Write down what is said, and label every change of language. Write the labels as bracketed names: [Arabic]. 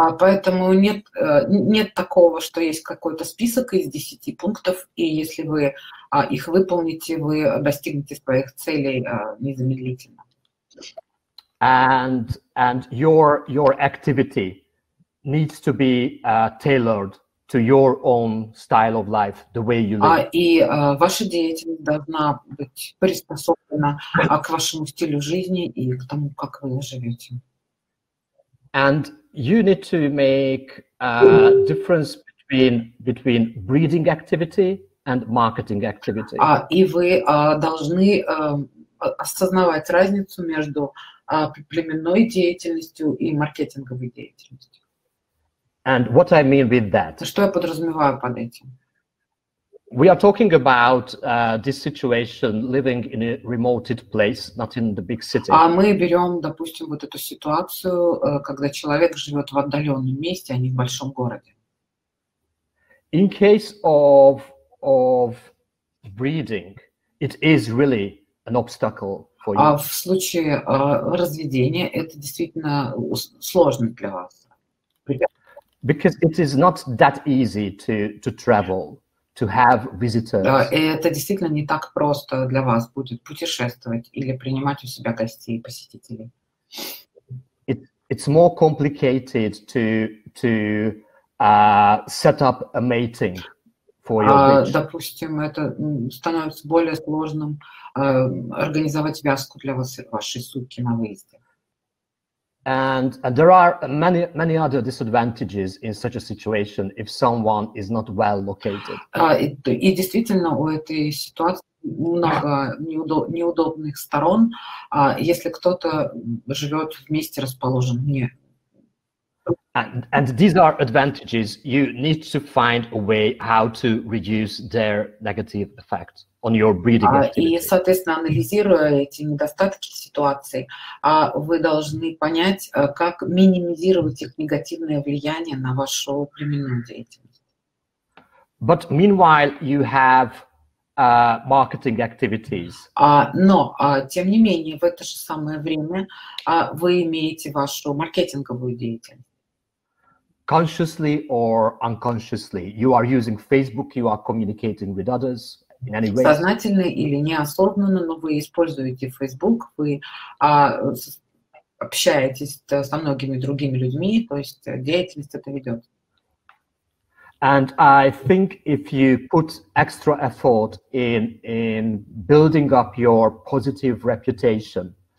[Russian] Поэтому нет такого, что есть какой-то список из 10 пунктов, и если вы их выполните, вы достигнете своих целей незамедлительно. [English] And your activity needs to be tailored to your own style of life, the way you live. [Russian] Ваша деятельность должна быть приспособлена к вашему стилю жизни и к тому, как вы живете. [English] And you need to make a difference between breeding activity and marketing activity. [Russian] И вы должны осознавать разницу между племенной деятельностью и маркетинговой деятельностью. [English] And what I mean with that? [Russian] Что я подразумеваю под этим? [English] We are talking about this situation, living in a remote place, not in the big city. [Russian] А мы берем, допустим, вот эту ситуацию, когда человек живет в отдаленном месте, а не в большом городе. [English] In case of breeding, it is really an obstacle for you. [Russian] А в случае разведения это действительно сложно для вас. [English] Because it is not that easy to travel, to have visitors. [Russian] Да, это действительно не так просто для вас будет путешествовать или принимать у себя гостей, посетителей. [English] It's more complicated to set up a mating for your bitch. [Russian] Допустим, это становится более сложным организовать вязку для вас, вашей сутки на выезде. [English] And there are many other disadvantages in such a situation if someone is not well located. [Russian] И действительно у этой ситуации много неудобных сторон, если кто-то живет в месте расположенном не. [English] And these are advantages. You need to find a way how to reduce their negative effect on your breeding activity. [Russian] И, соответственно, анализируя эти недостатки ситуации, вы должны понять, как минимизировать их негативное влияние на вашу племенную деятельность. [English] But meanwhile, you have marketing activities. [Russian] Тем не менее, в это же самое время вы имеете вашу маркетинговую деятельность. [English] Consciously or unconsciously, you are using Facebook, you are communicating with others in any way. [Russian] Сознательно или неосознанно, но вы используете Facebook, вы общаетесь со многими другими людьми, то есть деятельность это ведет. [English] And I think if you put extra effort in building up your positive reputation.